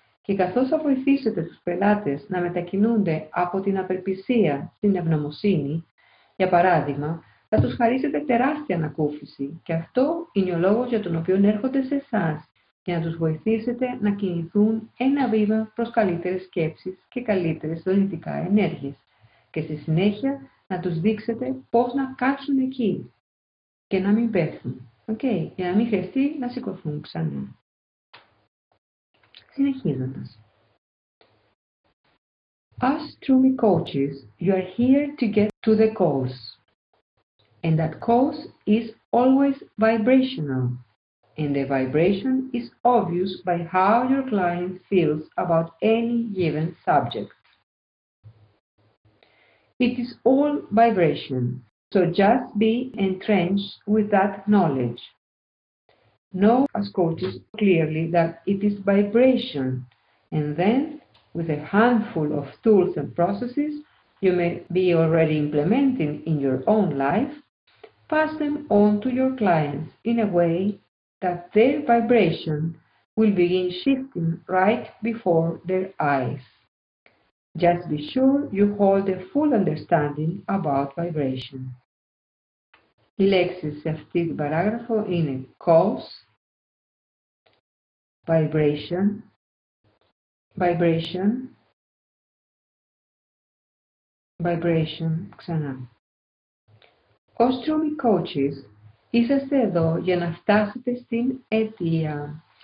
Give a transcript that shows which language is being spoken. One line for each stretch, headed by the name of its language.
Greek: Και καθώς θα βοηθήσετε τους πελάτες να μετακινούνται από την απελπισία στην ευγνωμοσύνη, για παράδειγμα, θα τους χαρίσετε τεράστια ανακούφιση και αυτό είναι ο λόγος για τον οποίο έρχονται σε εσάς, για να τους βοηθήσετε να κινηθούν ένα βήμα προς καλύτερες σκέψεις και καλύτερες δυνητικά ενέργειες και στη συνέχεια να τους δείξετε πώς να κάτσουν εκεί και να μην πέφτουν. Okay, για να μην χρειαστεί να σηκωθούν ξανά. Συνεχίζοντας.
English: As Trumi coaches, you are here to get to the cause. And that cause is always vibrational. And the vibration is obvious by how your client feels about any given subject. It is all vibration, so just be entrenched with that knowledge. Know as coaches clearly that it is vibration, and then with a handful of tools and processes you may be already implementing in your own life, pass them on to your clients in a way that their vibration will begin shifting right before their eyes. Just be sure you hold a full understanding about vibration.
Greek: Οι λέξεις σε αυτή την παράγραφο είναι cause, vibration, vibration, vibration, ξανά. Ως Trumi coaches, είσαστε εδώ για να φτάσετε στην αιτία.